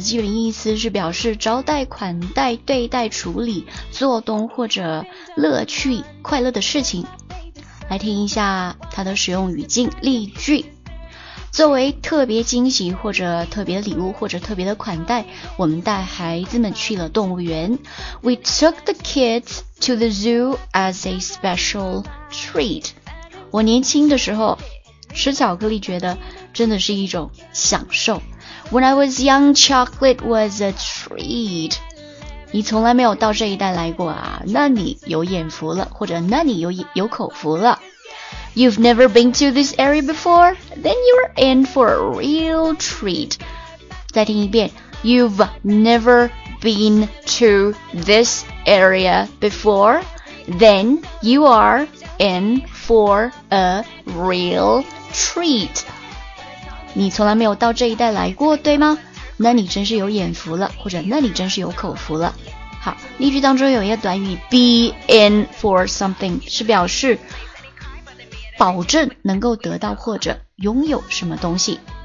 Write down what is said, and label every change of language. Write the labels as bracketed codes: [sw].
[zh] 基本意思是表示招待、款待、对待、处理、做动或者乐趣、快乐的事情。来听一下它的使用语境例句：作为特别惊喜或者特别礼物或者特别的款待，我们带孩子们去了动物园。 [en] We took the kids to the zoo as a special treat。 [zh] 我年轻的时候吃巧克力觉得真的是一种享受。 [en] When I was young, chocolate was a treat. [zh] 你从来没有到这一代来过啊，那你有眼福了，或者那你 有口福了。 [en] You've never been to this area before? Then you're in for a real treat. [zh] 再听一遍。 [en] You've never been to this area before? Then you are in for a real treat. [zh] 你从来没有到这一带来过，对吗？那你真是有眼福了，或者那你真是有口福了。好，例句当中有一个短语 be in for something， 是表示保证能够得到或者拥有什么东西。